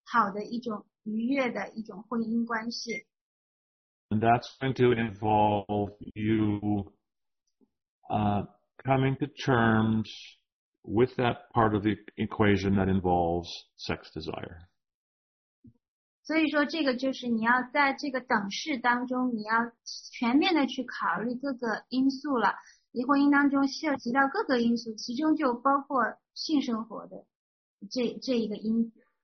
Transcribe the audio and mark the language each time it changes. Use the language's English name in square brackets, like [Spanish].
[Chinese] 那么在这个灵性进步的这个当中呢，那其中的一个部分就是在你的婚姻当中，你要和你的丈夫愉快的生活，跟他保持一个非常好的一种愉悦的一种婚姻关系。 [English] And that's going to involve you coming to terms with that part of the equation that involves sex desire. [Chinese] 所以说这个就是你要在这个等式当中，你要全面的去考虑各个因素了。你婚姻当中需要提到各个因素，其中就包括性生活的这一个因素。